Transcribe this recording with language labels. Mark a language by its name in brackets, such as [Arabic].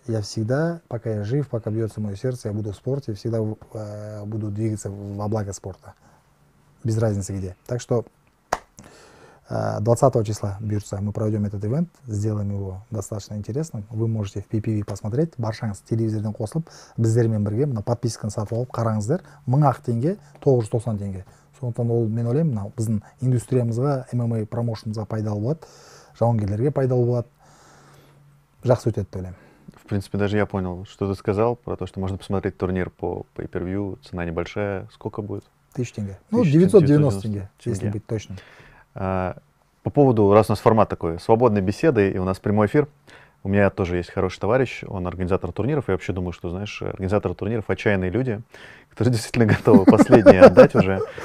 [Russian] Я всегда, пока я жив, пока бьется мое сердце, я буду в спорте, всегда буду двигаться во благо спорта. Без разницы где. Так что 20 числа Бирюса мы проведем этот ивент, сделаем его достаточно интересным. Вы можете в PPV посмотреть. [Kazakh] Баршаңыз телевизорден қосылып, біздермен бірге мына подписканы сатып алып қараңыздар. 1000 ақ теңге, 990 теңге. Сондықтан ол мен ойлаймын, мына біздің индустриямызға, MMA промоушнымызға пайдалы болады, жауынгерлерге пайдалы болады. Жақсы өтеді деп ойлаймын. [Russian] В принципе, даже я понял, что ты сказал про то, что можно посмотреть турнир по pay-per-view, цена небольшая, сколько будет? [Kazakh] 1000 теңге. [Russian] Ну, 990 теңге, если быть точным. По поводу, раз у нас формат такой, свободной беседы, и у нас прямой эфир, у меня тоже есть хороший товарищ, он организатор турниров, я вообще думаю, что, знаешь, организаторы турниров — отчаянные люди, которые действительно готовы последние отдать уже.